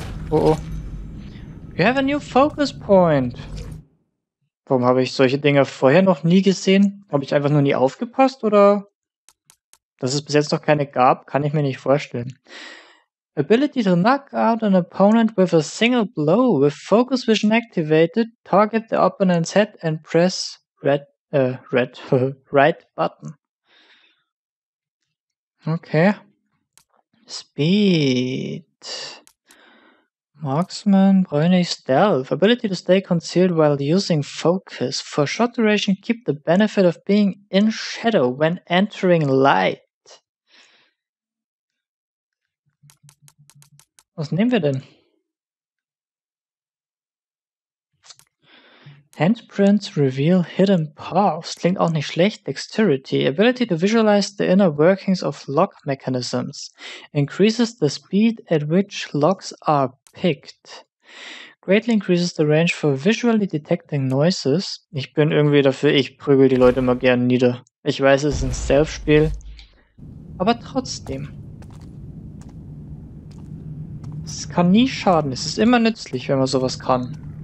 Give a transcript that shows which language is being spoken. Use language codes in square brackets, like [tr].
[en] Oh. You have a new focus point. [de] Warum habe ich solche Dinger vorher noch nie gesehen? Habe ich einfach nur nie aufgepasst oder? Dass es bis jetzt noch keine gab, kann ich mir nicht vorstellen. [en] Ability to knock out an opponent with a single blow. With Focus Vision activated, target the opponent's head and press right button. Okay. Speed. Marksman, Brönig, Stealth. Ability to stay concealed while using Focus. For short duration, keep the benefit of being in shadow when entering light. [de] Was nehmen wir denn? [en] Handprints reveal hidden paths. [de] Klingt auch nicht schlecht. [en] Dexterity. Ability to visualize the inner workings of lock mechanisms. Increases the speed at which locks are picked. Greatly increases the range for visually detecting noises. [de] Ich bin irgendwie dafür, ich prügel die Leute immer gern nieder. Ich weiß, es ist ein Stealth-Spiel. Aber trotzdem. Es kann nie schaden. Es ist immer nützlich, wenn man sowas kann.